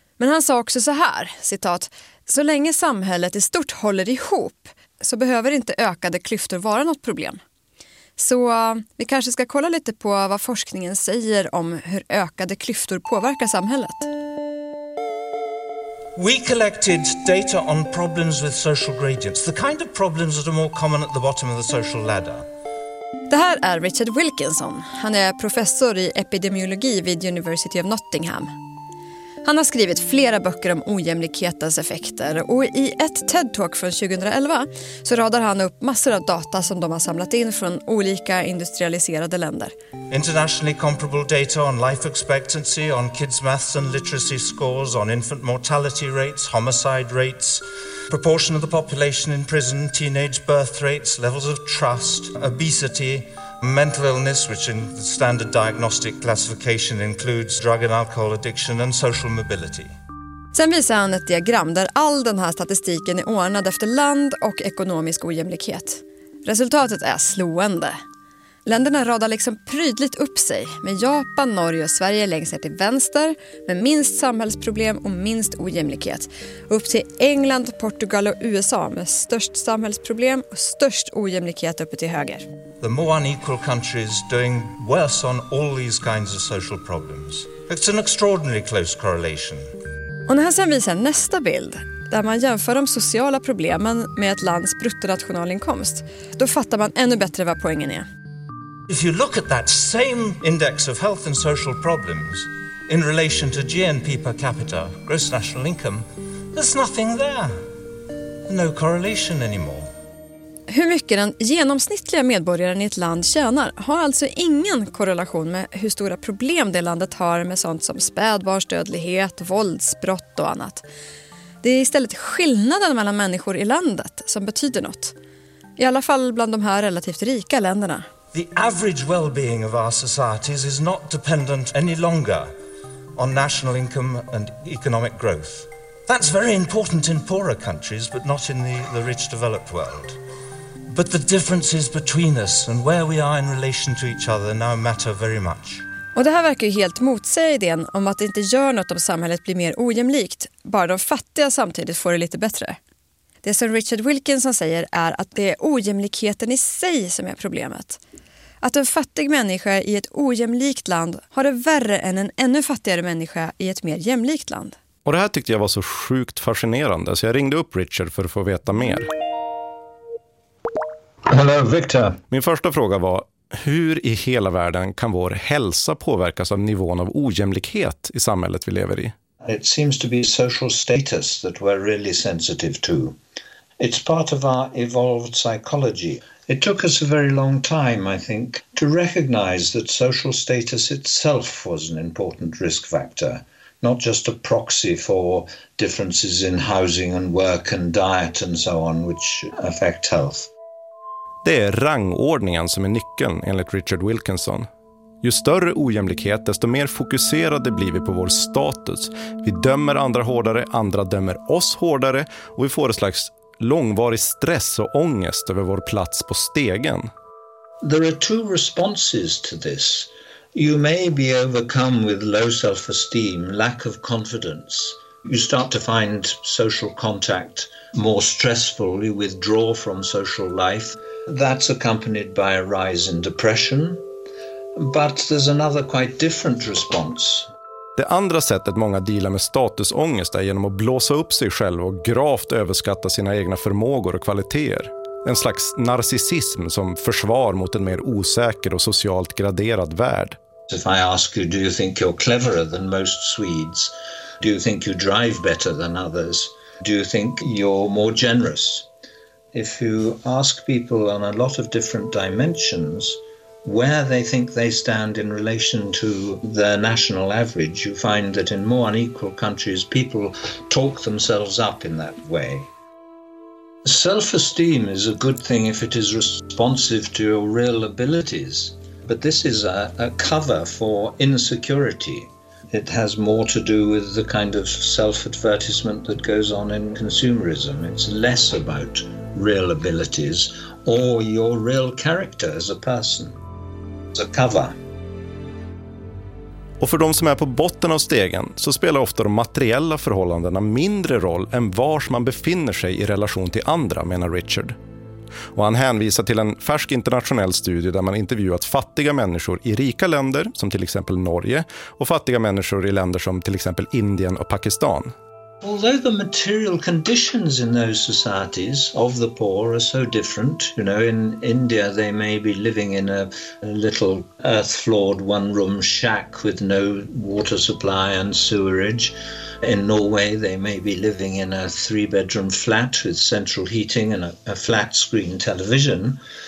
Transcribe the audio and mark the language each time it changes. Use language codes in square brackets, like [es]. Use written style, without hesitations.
[sv] Men han sa också så här, citat, så länge samhället i stort håller ihop så behöver inte ökade klyftor vara något problem. Så vi kanske ska kolla lite på vad forskningen säger om hur ökade klyftor påverkar samhället. [en] We collected data on problems with social gradients, the kind of problems that are more common at the bottom of the social ladder. [sv] Det här är Richard Wilkinson. Han är professor i epidemiologi vid University of Nottingham. Han har skrivit flera böcker om ojämlikhetens effekter och i ett TED-talk från 2011 så radar han upp massor av data som de har samlat in från olika industrialiserade länder. [en] Internationally comparable data on life expectancy, on kids' maths and literacy scores, on infant mortality rates, homicide rates, proportion of the population in prison, teenage birth rates, levels of trust, obesity, mental illness, which in the standard diagnostic classification includes drug and alcohol addiction and social mobility. [sv] Sen visar han ett diagram där all den här statistiken är ordnad efter land och ekonomisk ojämlikhet. Resultatet är slående. Länderna radar liksom prydligt upp sig, med Japan, Norge och Sverige längst ner till vänster, med minst samhällsproblem och minst ojämlikhet. Upp till England, Portugal och USA med störst samhällsproblem och störst ojämlikhet uppe till höger. [en] The more unequal countries doing worse on all these kinds of social problems. It's an extraordinary close correlation. [sv] Och när han sen visar nästa bild, där man jämför de sociala problemen med ett lands bruttonationalinkomst, då fattar man ännu bättre vad poängen är. [en] If you look at that same index of health and social problems in relation to GNP per capita, gross national income, there's nothing there. No correlation anymore. [sv] Hur mycket den genomsnittliga medborgaren i ett land tjänar har alltså ingen korrelation med hur stora problem det landet har med sånt som spädbarnsdödlighet, våldsbrott och annat. Det är istället skillnaden mellan människor i landet som betyder något. I alla fall bland de här relativt rika länderna. [en] The average well-being of our societies is not dependent any longer on national income and economic growth. That's very important in poorer countries, but not in the rich developed world. But the differences between us and where we are in relation to each other now matter very much. [sv] Och det här verkar ju helt motsäga idén om att det inte gör något om samhället blir mer ojämlikt, bara de fattiga samtidigt får det lite bättre. Det som Richard Wilkinson säger är att det är ojämlikheten i sig som är problemet. Att en fattig människa i ett ojämlikt land har det värre än en ännu fattigare människa i ett mer jämlikt land. Och det här tyckte jag var så sjukt fascinerande, så jag ringde upp Richard för att få veta mer. [en] Hello, Victor. [sv] Min första fråga var, hur i hela världen kan vår hälsa påverkas av nivån av ojämlikhet i samhället vi lever i? [en] It seems to be social status that we're really sensitive to. It's part of our evolved psychology. It took us a very long time, I think, to recognize that social status itself was an important risk factor, not just a proxy for differences in housing and work and diet and so on, which affect health. [sv] Det är rangordningen som är nyckeln, enligt Richard Wilkinson. Ju större ojämlikhet, desto mer fokuserade blir vi på vår status. Vi dömer andra hårdare, andra dömer oss hårdare och vi får ett slags långvarig stress och ångest över vår plats på stegen. [en] There are two responses to this. You may be overcome with low self-esteem, lack of confidence. You start to find social contact more stressful. You withdraw from social life. That's accompanied by a rise in depression. But there's another quite different response. [sv] Det andra sättet många dealar med statusångest är genom att blåsa upp sig själv och gravt överskatta sina egna förmågor och kvaliteter. En slags narcissism som försvar mot en mer osäker och socialt graderad värld. [en] If I ask you, do you think you're cleverer than most Swedes? Do you think you drive better than others? Do you think you're more generous? If you ask people on a lot of different dimensions where they think they stand in relation to the national average, you find that in more unequal countries people talk themselves up in that way. Self-esteem is a good thing if it is responsive to your real abilities, but this is a cover for insecurity. it has more to do with the kind of self-advertisement that goes on in consumerism. It's less about real abilities or your real character as a person. It's a cover. [sv] Och för de som är på botten av stegen så spelar ofta de materiella förhållandena mindre roll än var man befinner sig i relation till andra, menar Richard. Och han hänvisar till en färsk internationell studie där man intervjuat fattiga människor i rika länder som till exempel Norge och fattiga människor i länder som till exempel Indien och Pakistan. [en] Although the material conditions in those societies of the poor are so different, you know, in India they may be living in a little earth-floored one-room shack with no water supply and sewerage. In Norway they may be living in a three-bedroom flat with central heating and a flat-screen television.